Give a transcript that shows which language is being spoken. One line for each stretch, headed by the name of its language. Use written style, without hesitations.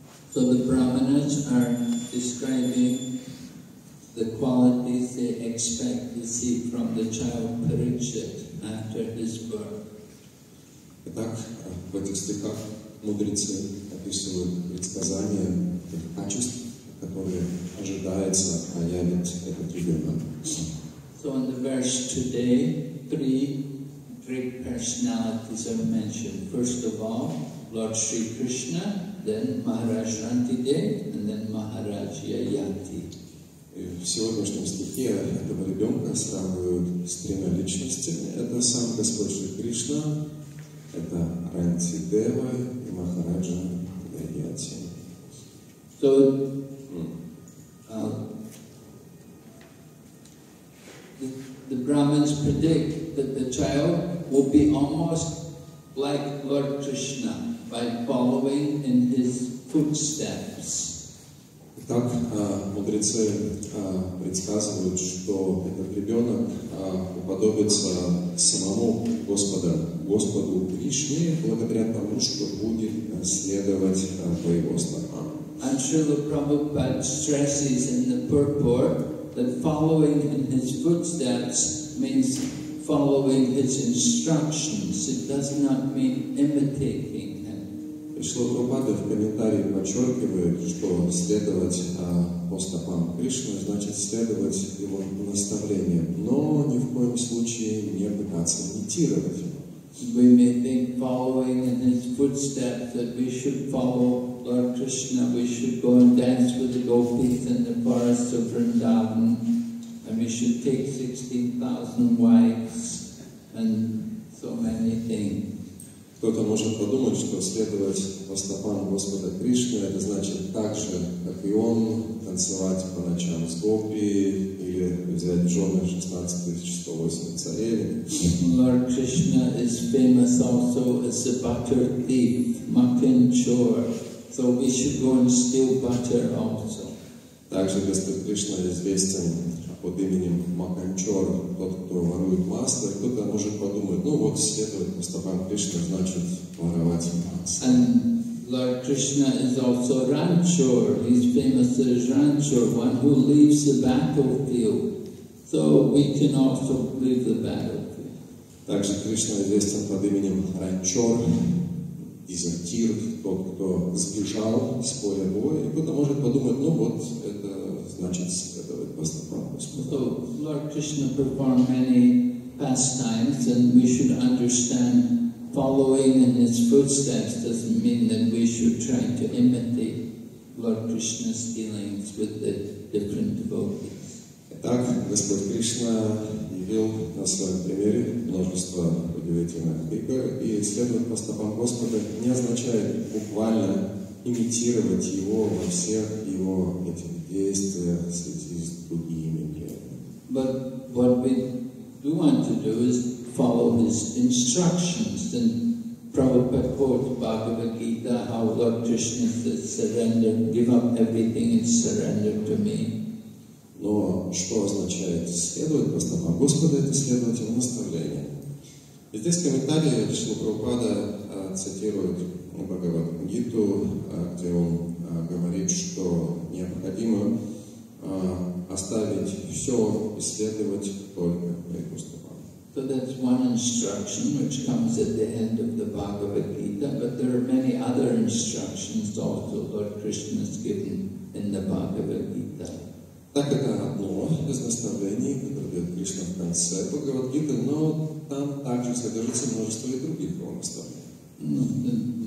English: So the Brahmanas are describing the qualities they expect to see from the child Parikshit after his birth.
Russian: Итак, в этих стихах мудрецы описывают предсказания качеств, которые ожидается проявить этот ребенок.
English: So in the verse today, three personalities are mentioned. First of all, Lord Sri Krishna, then Maharaj Rantidev, and then Maharaj Yayati.
Russian: В сегодняшнем стихе этого ребенка сравнивают с тремя личностями. Это сам Господь Шри Кришна, это Рантидева и Махарадж Яяти.
English: So, the Brahmins predict that the child will be almost like Lord Krishna by following in his footsteps.
Russian: Итак, мудрецы предсказывают, что этот ребенок уподобится самому Господу Кришне, благодаря тому, что будет следовать по его стопам.
English: I'm sure the Prabhupada stresses in the purport that following in his footsteps means following his instructions. It does not mean imitating him.
Russian: Шрила Прабхупада в комментарии подчеркивает, что следовать по стопам Кришны значит следовать его наставлениям, но ни в коем случае не пытаться имитировать.
English: We may think following in his footsteps that we should follow Lord Krishna, we should go and dance with the gopis in the forest of Vrindavan, and we should take 16,000 wives and so many things.
Russian: Кто-то может подумать, что следовать по стопам Господа Кришны это значит так же, как и он, танцевать по ночам с гопи или взять жены 16-108 царей.
English: Lord Krishna is famous also as a butter thief, mutton chore. So we should go and steal butter also.
Russian: Также Господь Кришна известен под именем Маканчор, тот, кто ворует масло. Кто-то может подумать, ну вот следовать по стопам Кришны значит воровать масло.
English: And Lord Krishna is also Ranchor. He's famous as Ranchor, one who leaves the battlefield. So we can also leave the battlefield.
Russian: Также Кришна известен под именем Ранчор, дезертир, тот, кто сбежал с поля боя. И кто-то может подумать, ну вот, это значит, это поступало.
English: So Lord Krishna performed many pastimes, and we should understand following in his footsteps doesn't mean that we should try to imitate Lord Krishna's dealings with the different devotees.
Russian: Итак, Господь Кришна явил на своем примере множество удивительных игр, и следовать по стопам Господа не означает буквально имитировать его во всех его этих действиях среди другими.
English: But what we do want to do is follow his instructions. And Prabhupada quotes Bhagavad Gita, how Lord Krishna says, surrender, give up everything and surrender to me.
Russian: Но что означает следовать по стопам Господа? Это следовать его наставлению. И здесь в комментарии Шрила Прабхупада цитирует Бхагавад Гиту, где он говорит, что необходимо оставить все и следовать только его стопам.
English: So that's one instruction which comes at the end of the Bhagavad Gita, but there are many other instructions also Lord Krishna has given in the Bhagavad Gita.
Russian: Так это одно из наставлений, которое дает Кришна в конце Бхагавад Гиты, но там также содержится множество и других его наставлений.